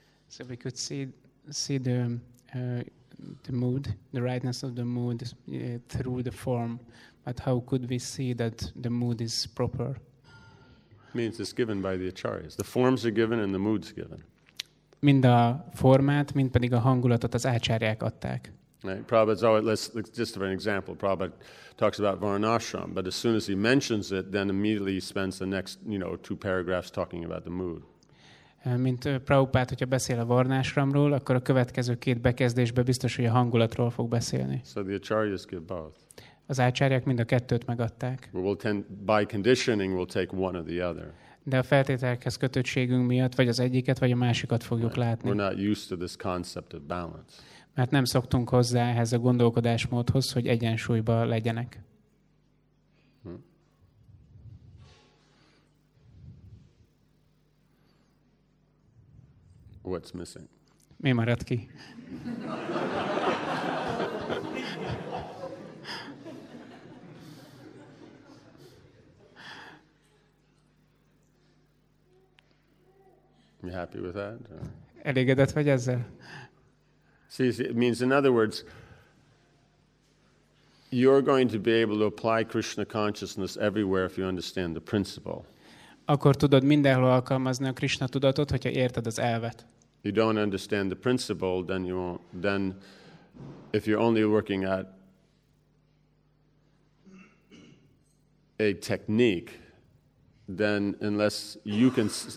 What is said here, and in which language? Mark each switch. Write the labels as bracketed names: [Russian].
[English] So we could see the mood, the rightness of the mood through the form, but how could we see that the mood is proper? Means it's given by the acharyas. The forms are given and the mood's given. [Hungarian] mind a formát, mind pedig a hangulatot az ácsárják adták. [English] Right. Prabhupada's always, let's just for an example, Prabhupada talks about Varnashram, but as soon as he mentions it, then immediately he spends the next, you know, two paragraphs talking about the mood. [Hungarian] Mint Prabhupada, hogyha beszél a Varnashramról, akkor a következő két bekezdésben biztos, hogy a hangulatról fog beszélni. [English] So the acharyas give both. [Hungarian] Az ácsárják mind a kettőt megadták. [English] By conditioning, we'll take one or the other. [Hungarian] De a feltételekhez kötöttségünk miatt, vagy az egyiket, vagy a másikat fogjuk látni. [English] We're not used to this concept of balance. [Hungarian] Mert nem szoktunk hozzá ehhez a gondolkodásmódhoz, hogy egyensúlyba legyenek. [English] What's missing? [Hungarian] Mi maradt ki? [English] You happy with that? [Hungarian] Elégedett vagy ezzel? [English] See, it means, in other words, you're going to be able to apply Krishna consciousness everywhere if you understand the principle. [Hungarian] Akkor tudod mindenhol alkalmazni a Krishna tudatot, hogyha érted az elvet. [English] You don't understand the principle, then you won't. Then, if you're only working at a technique, then unless you can.